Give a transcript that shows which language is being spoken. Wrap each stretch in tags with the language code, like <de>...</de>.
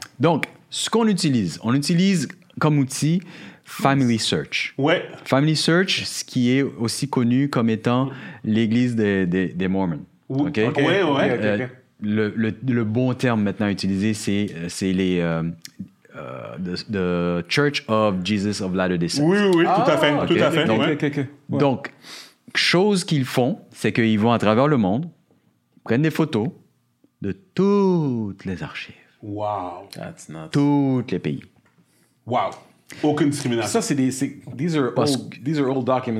<fr>Donc, ce qu'on utilise, comme outil Family Search. Ouais. Family Search, ce qui est aussi connu comme étant l'église des Mormons. Okay. Le bon terme maintenant à utiliser, c'est les...</fr> <en>The Church of Jesus of Latter-day Saints.</en> <fr>Oui, oui, oui, tout à fait. Okay. Tout à fait. Donc, ouais. donc, chose qu'ils font, c'est qu'ils vont à travers le monde, prennent des photos de toutes les archives. Wow.</fr> <en>That's nuts.</en> <fr>Toutes les pays. Wow. Aucune discrimination. Ça, c'est des...</fr> <en>These are old documents.</en>